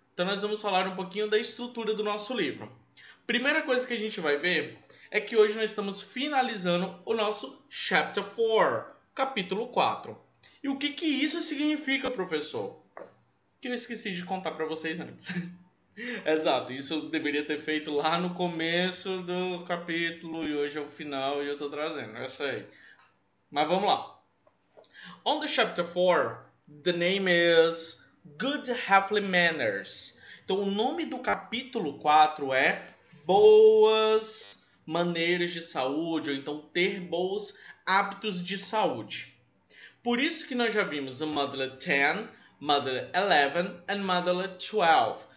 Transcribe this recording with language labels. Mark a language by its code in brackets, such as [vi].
[pt] Então, nós vamos falar um pouquinho da estrutura do nosso livro. Primeira coisa que a gente vai ver é que hoje nós estamos finalizando o nosso chapter 4, capítulo 4. E o que que isso significa, professor? Que eu esqueci de contar para vocês antes. Exato, isso eu deveria ter feito lá no começo do capítulo e hoje é o final e eu tô trazendo, é isso aí. Mas vamos lá. [en] On the chapter 4, the name is Good Heavenly Manners. [pt] Então, o nome do capítulo 4 é Boas Maneiras de Saúde, ou então Ter Bons Hábitos de Saúde. Por isso que nós já vimos o módulo 10, módulo 11 e módulo 12.